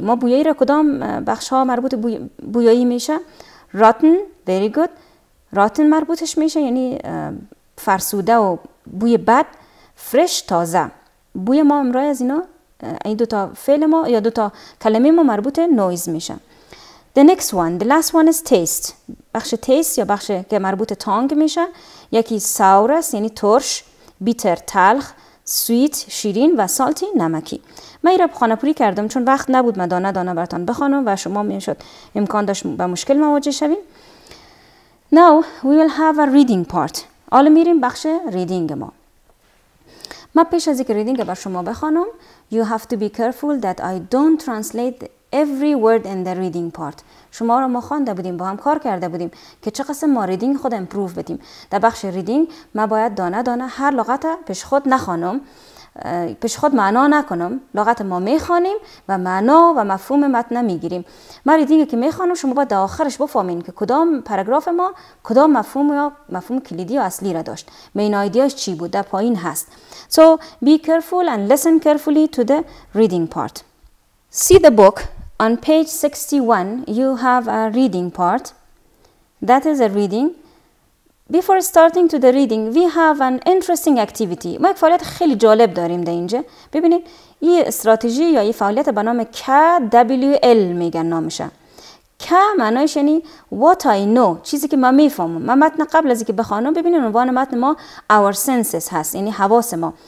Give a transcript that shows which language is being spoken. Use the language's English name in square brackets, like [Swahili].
[Persian] ما بویایی را کدام بخش ها مربوط بویایی میشه؟ راتن، [English] Very good. [Persian] راتن مربوطش میشه یعنی فرسوده و بوی بد. فرش تازه، بوی ما امروی از اینا، این دوتا فعل ما یا دوتا کلمه ما مربوط نویز میشه. [English] The next one, the last one is taste. [Persian] بخش taste یا بخش که مربوط تانگ میشه. یکی sour است یعنی ترش، bitter تلخ، sweet شیرین و salty نمکی. من ایراب خانه پوری کردم چون وقت نبود من دانه دانه براتان بخوانم و شما میشد امکان داشت به مشکل مواجه شوید. [English] Now we will have a reading part. [Persian] حالا میریم بخش reading ما. من پیش از اینکه reading بر شما بخوانم، [English] you have to be careful that I don't translate every word in the reading part. [Persian] شما رو ما خوانده بودیم، با هم کار کرده بودیم که چه قسم ما ریدینگ خود امپروف بدیم. در بخش ریدینگ ما باید دانه دانه هر لغت پیش خود نخوانم، پیش خود معنا نکنم. لغت ما میخوانیم و معنا و مفهوم متن میگیریم. ما ریدینگ که میخوانم شما باید در آخرش بفهمین که کدام پاراگراف ما کدام مفهوم یا مفهوم کلیدی یا اصلی را داشت. مین ایدیاش چی بود؟ در پایین هست. [English] So be careful and listen carefully to the reading part. See the book on page 61. You have a reading part. That is a reading. Before starting to the reading, we have an interesting activity. [Persian] ما یک فعالیت خیلی جالب داریم در اینجا. ببینید، یه استراتژی یا یه فعالیت به نام KWL میگن نامشه. K معنایش یعنی [English] what I know، [Persian] چیزی که من میفهمم. من متن قبل از اینکه بخوانم، ببینید عنوان متن ما [English] our senses [Persian] هست، یعنی حواس ما.